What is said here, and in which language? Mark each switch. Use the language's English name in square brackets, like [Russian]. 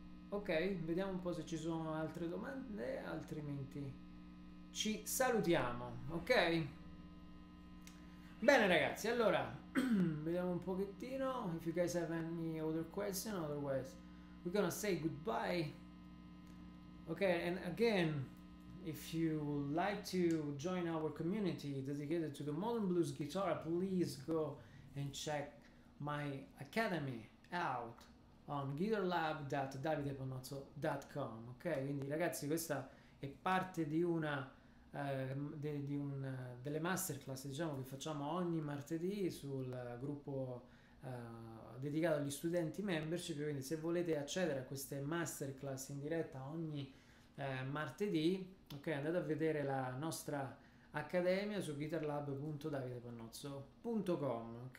[Italian] Okay, vediamo un po' se ci sono altre domande, altrimenti ci salutiamo, ok? Bene ragazzi, allora vediamo un pochettino. [English] If you guys have any other question, otherwise we're gonna say goodbye. Okay, and again, if you would like to join our community dedicated to the modern blues guitar, please go and check my academy out on guitarlab.davidepanozzo.com. [Italian] Ok, quindi ragazzi, questa è parte di una delle masterclass, diciamo, che facciamo ogni martedì sul gruppo dedicato agli studenti membership. Quindi se volete accedere a queste masterclass in diretta ogni martedì, ok, andate a vedere la nostra accademia su guitarlab.davidepannozzo.com, ok?